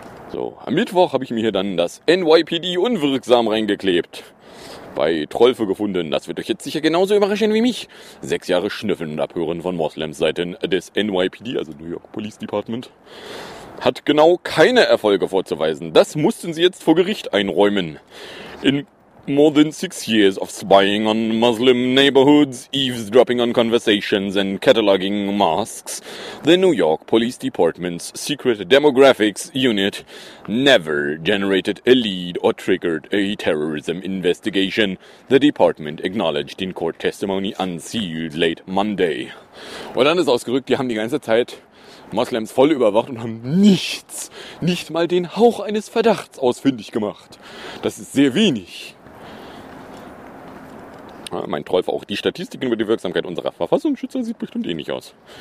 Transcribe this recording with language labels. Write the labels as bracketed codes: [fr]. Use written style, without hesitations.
[de] So, am Mittwoch habe ich mir hier dann das NYPD unwirksam reingeklebt. Bei Trollfe gefunden, das wird euch jetzt sicher genauso überraschen wie mich. 6 Jahre schnüffeln und abhören von Moslems seitens des NYPD, also New York Police Department. Hat genau keine Erfolge vorzuweisen. Das mussten sie jetzt vor Gericht einräumen. In [en] more than 6 years of spying on Muslim neighborhoods, eavesdropping on conversations, and cataloging masks, the New York Police Department's Secret Demographics Unit never generated a lead or triggered a terrorism investigation, the department acknowledged in court testimony unsealed late Monday. [de] Und dann ist ausgerückt, die haben die ganze Zeit Moslems voll überwacht und haben nichts, nicht mal den Hauch eines Verdachts ausfindig gemacht. Das ist sehr wenig. Ja, mein Teufel, auch die Statistiken über die Wirksamkeit unserer Verfassungsschützer sieht bestimmt ähnlich aus.